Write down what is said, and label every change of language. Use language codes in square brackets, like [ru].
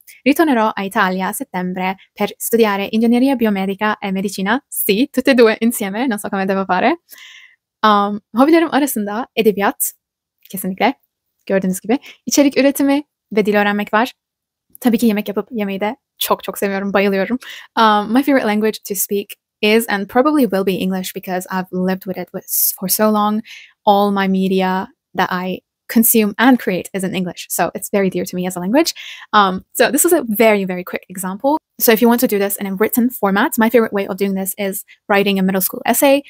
[it] Ritornerò a Italia a settembre per studiare ingegneria biomedica e medicina. Sì, tutte e due insieme, non so come devo fare. [tr] Hobilerim arasında edebiyat, kesinlikle, gördüğünüz gibi, içerik üretimi ve dil öğrenmek var. Tabii ki yemek yapıp yemeyi de çok çok seviyorum, bayılıyorum. [en] My favorite language to speak is and probably will be English because I've lived with it for so long. All my media that I consume and create is in English. So it's very dear to me as a language. So this is a very, very quick example. So if you want to do this in a written format, my favorite way of doing this is writing a middle school essay.